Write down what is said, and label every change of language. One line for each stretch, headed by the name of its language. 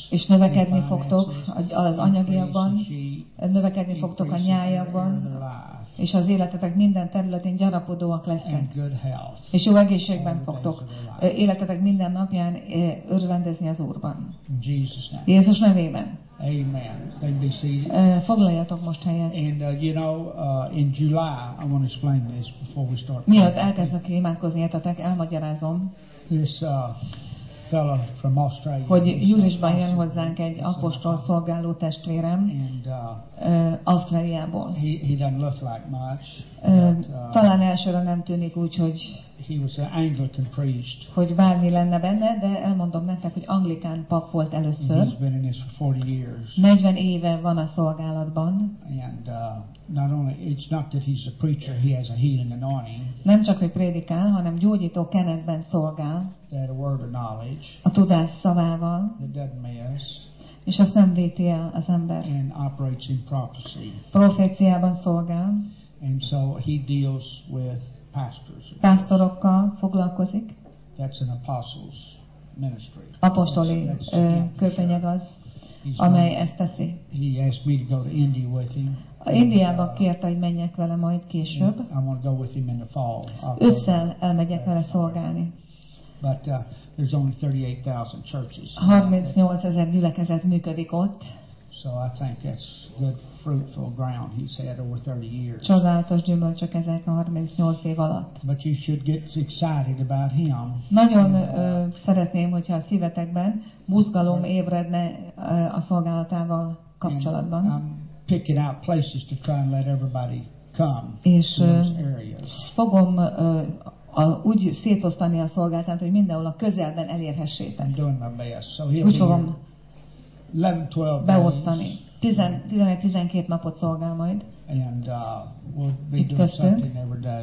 Hungarian: És növekedni fogtok az anyagiakban, növekedni fogtok a nyájakban. És az életetek minden területén gyarapodóak lesznek. És jó egészségben fogtok életetek minden napján örvendezni az Úrban. Jézus nevében.
English: Amen. Then be seated.
Hungarian: Foglaljatok most helyet.
English: And you know, in July, I want to explain this before we start.
Hungarian: Miatt elkezdnek imádkozni, értetek, elmagyarázom.
English: This fellow from Australia.
Hungarian: Hogy júliusban jön hozzánk egy apostol szolgáló testvérem.
English: And
Hungarian: Ausztráliából.
English: He doesn't look like much.
Hungarian: Talán elsőre nem tűnik úgy, hogy
English: he was an Anglican priest.
Hungarian: Hogy bármi lenne benne, de elmondom nektek, hogy anglikán pap volt először.
English: He's been in this for 40 years.
Hungarian: 40 éve van a szolgálatban.
English: And not only it's not that he's a preacher, he has a healing anointing.
Hungarian: Nem csak hogy prédikál, hanem gyógyító kenetben szolgál.
English: That a word of knowledge.
Hungarian: A tudás szavával.
English: That doesn't miss.
Hungarian: És azt nem véti el az ember.
English: And operates in prophecy.
Hungarian: Proféciában szolgál.
English: And so he deals with pastors.
Hungarian: Pásztorokkal foglalkozik.
English: That's an apostles ministry.
Hungarian: Apostoli köpenyeg az, amely ezt teszi.
English: He asked me to go to India with him.
Hungarian: Indiába kért, hogy menjek vele majd később.
English: I want to go with him in the fall.
Hungarian: Ősszel elmegyek vele szolgálni.
English: But there's only 38,000 churches.
Hungarian: 38,000 gyülekezet működik ott.
English: So I think that's good fruitful ground he's had over 30 years.
Hungarian: Csodálatos gyümölcsök ezek a 38 év alatt.
English: But you should get excited about him.
Hungarian: Nagyon szeretném, hogyha a szívetekben mozgalom ébredne a szolgálatával kapcsolatban.
English: And I'm picking out places to try and let everybody come.
Hungarian: És
English: to those areas.
Hungarian: Fogom úgy szétosztani a szolgálatát, hogy mindenhol a közelben elérhessétek.
English: Doing my best. So
Hungarian: úgy fogom 11-12 beosztani. 11-12 napot szolgál majd.
English: And we'll be doing something every day.